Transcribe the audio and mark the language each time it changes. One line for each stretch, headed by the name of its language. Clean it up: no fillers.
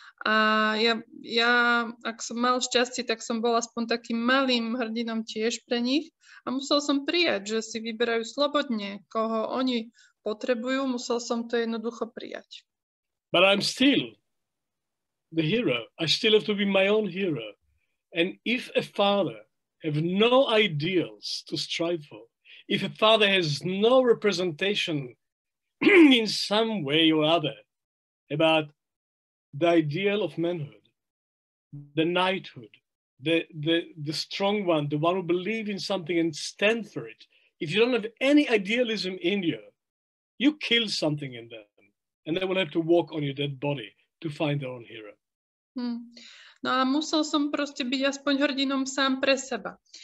Slovak: A ja, ak som mal šťastie, tak som bol aspoň takým malým hrdinom tiež pre nich. A musel som prijať, že si vyberajú slobodne, koho oni potrebujú. Musel som to jednoducho prijať.
English: But I'm still the hero. I still have to be my own hero. And if a father have no ideals to strive for, if a father has no representation in some way or other about the ideal of manhood, the knighthood, the strong one, the one who believes in something and stands for it, if you don't have any idealism in you, you kill something in them and they will have to walk on your dead body to find their own hero.
Slovak: No a musel som proste byť aspoň hrdinom sám pre seba.